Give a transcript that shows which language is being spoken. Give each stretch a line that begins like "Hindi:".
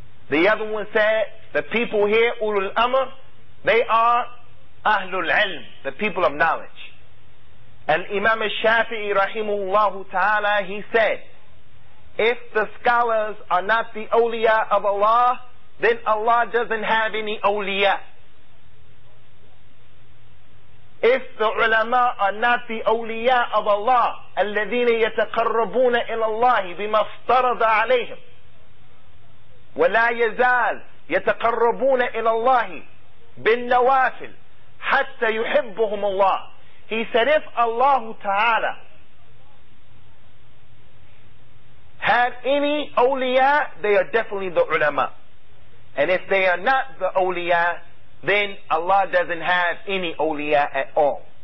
English: The other one said, the people here, ulul amr, they are ahlul ilm, the people of knowledge. Al-Imam al-Shafi'i rahimullahu ta'ala, he said, if the scholars are not the awliya of Allah, then Allah doesn't have any awliya. If the ulama are not the awliya of Allah,
Arabic: الَّذِينَ يَتَقَرَّبُونَ إِلَى اللَّهِ بِمَا افْتَرَضَ عَلَيْهِمْ وَلَا يَزَالْ يَتَقَرَّبُونَ إِلَى اللَّهِ بِالنَّوَافِلْ حَتَّى يُحِبُّهُمُ اللَّهِ.
English: He said, if Allah Ta'ala had any awliya, they are definitely the ulama. And if they are not the awliya, then Allah doesn't have any awliya at all.